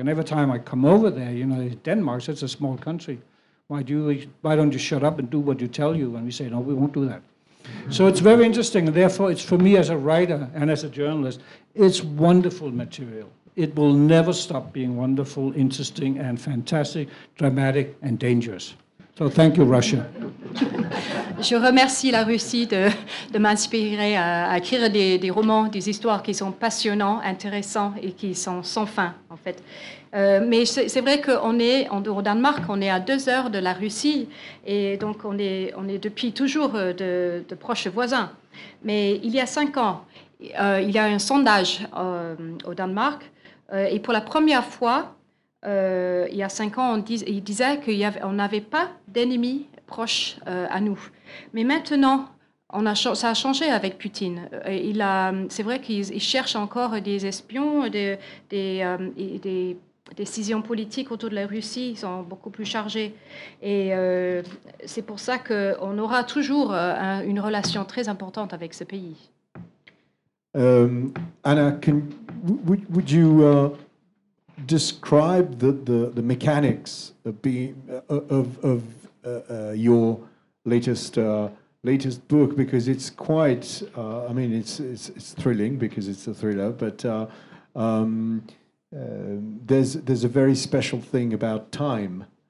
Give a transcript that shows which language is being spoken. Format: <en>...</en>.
<en>And every time I come over there, you know, Denmark's such a small country. Why don't you shut up and do what you tell you? And we say, no, we won't do that. So it's very interesting. Therefore, it's for me as a writer and as a journalist, it's wonderful material. It will never stop being wonderful, interesting, and fantastic, dramatic, and dangerous. So thank you, Russia.</en> <fr>Je remercie la Russie de m'inspirer à écrire des romans, des histoires qui sont passionnants, intéressants et qui sont sans fin, en fait. Mais c'est vrai qu'on est au Danemark, on est à 2 heures de la Russie, et donc on est depuis toujours de proches voisins. Mais il y a 5 ans, il y a un sondage au Danemark, et pour la première fois, il y a 5 ans, il disait qu'on n'avait pas d'ennemis proches à nous. Mais maintenant, ça a changé avec Poutine. C'est vrai qu'il cherche encore des espions, des décisions politiques autour de la Russie sont beaucoup plus chargées. Et c'est pour ça qu'on aura toujours une relation très importante avec ce pays.</fr> <en>Anna, would you describe the mechanics of your latest book, because it's quite it's thrilling because it's a thriller, but there's a very special thing about time.</en>